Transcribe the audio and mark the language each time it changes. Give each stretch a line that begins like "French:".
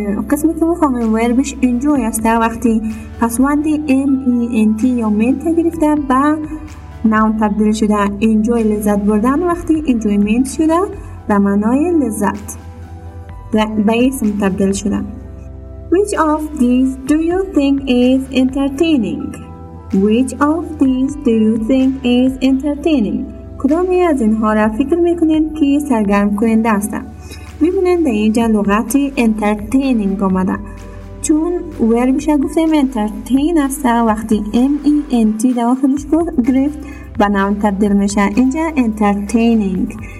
Persian: قسمی که میخوام وربش enjoy است وقتی پسوند M E N T یا ment گرفته با noun تبدیل شده enjoy لذت بردن وقتی enjoyment شده به معنای لذت به اسم تبدیل شده
English: Which of these do you think is entertaining? Which of these do you think is entertaining?
Persian: کدامی از اینها را فکر میکنین که سرگرم کننده است؟ میبینین در اینجا لغت entertaining آمده. چون ور میشه گفتیم entertain است وقتی M-E-N-T در آخرش گرفت به نام تبدیل میشه. اینجا entertaining.